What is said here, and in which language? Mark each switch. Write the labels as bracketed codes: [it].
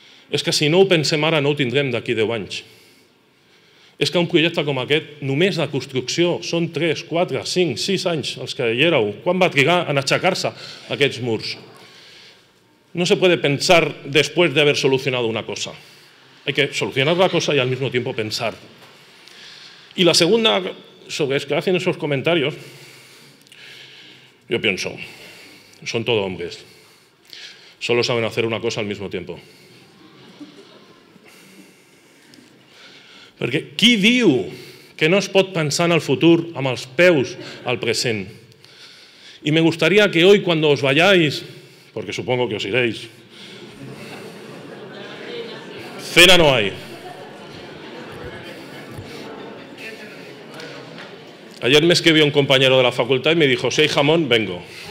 [ca] És que si no ho pensem ara no ho tindrem d'aquí 10 anys. És que un projecte com aquest, només de construcció, són 3, 4, 5, 6 anys els que hi éreu. Quan va trigar a aixecar-se aquests murs? [es] No se puede pensar después de haber solucionado una cosa. Hay que solucionar la cosa y al mismo tiempo pensar. Y la segunda, sobre es que hacen esos comentarios, yo pienso, son todo hombres. Solo saben hacer una cosa al mismo tiempo. [ca] Perquè qui diu que no es pot pensar en el futur amb els peus al present? [es] I me gustaría que hoy, cuando os vayáis, porque supongo que os iréis, cena no hay. Ayer me escribió un compañero de la facultad y me dijo, si hay jamón, vengo.